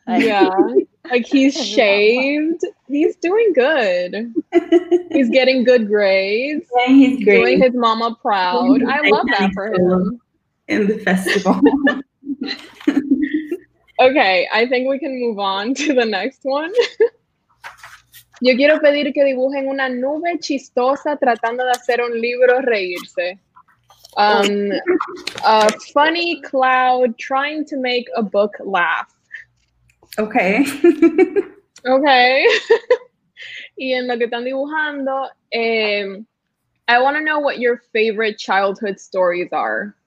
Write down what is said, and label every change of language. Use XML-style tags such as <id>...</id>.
<en>Like he's shaved. He's doing good. He's getting good grades. Yeah, he's great. Doing his mama proud. I love that for him. In the festival. Okay, I think we can move on to the next one.</en> <es>Yo quiero pedir que dibujen una nube chistosa tratando de hacer un libro reírse.</es> <en>A funny cloud trying to make a book laugh. Okay. Okay.</en> <es>Y en lo que están dibujando,</es> <en>I want to know what your favorite childhood stories are.</en>